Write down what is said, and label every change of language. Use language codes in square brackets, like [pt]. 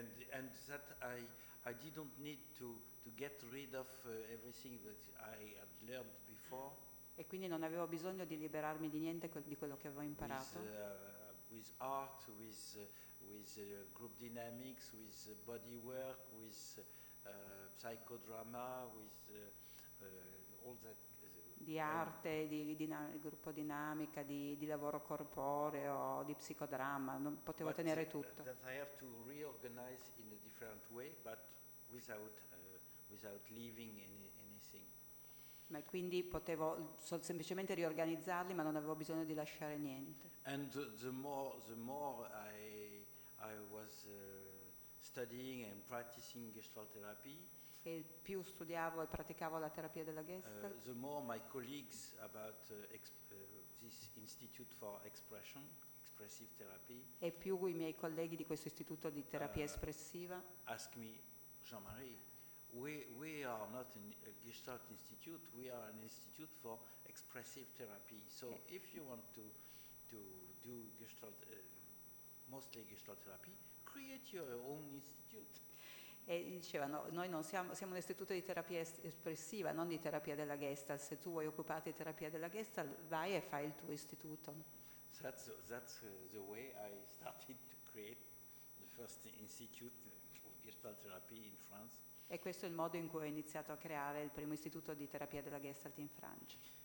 [en] And that I didn't need to get rid of everything that I had learned before. [it] E quindi non avevo bisogno di liberarmi di niente di quello che avevo imparato. [en] With art, with group dynamics, with body work, with psychodrama, with all that. [it] Di arte, di gruppo dinamica, di lavoro corporeo, di psicodramma, non potevo tenere tutto. [en] That I have to reorganize in a different way, but without leaving anything. [it] Ma quindi potevo semplicemente riorganizzarli, ma non avevo bisogno di lasciare niente. [en] And the more I was studying and practicing Gestalt therapy. [it] E più studiavo e praticavo la terapia della Gestalt. [en] The more my colleagues about this Institute for Expression, Expressive Therapy. [it] E più i miei colleghi di questo istituto di terapia espressiva. [en] Ask me, Jean-Marie, we are not a Gestalt Institute. We are an Institute for Expressive Therapy. So okay. If you want to do Gestalt. Mostly Gestalt therapy, create your own institute. [it] E dicevano, noi non siamo un istituto di terapia espressiva, non di terapia della Gestalt. Se tu vuoi occuparti di terapia della Gestalt, vai e fai il tuo istituto. [en] That's the way I started to create the first institute of Gestalt therapy in France. [it] E questo è il modo in cui ho iniziato a creare il primo istituto di terapia della Gestalt in Francia.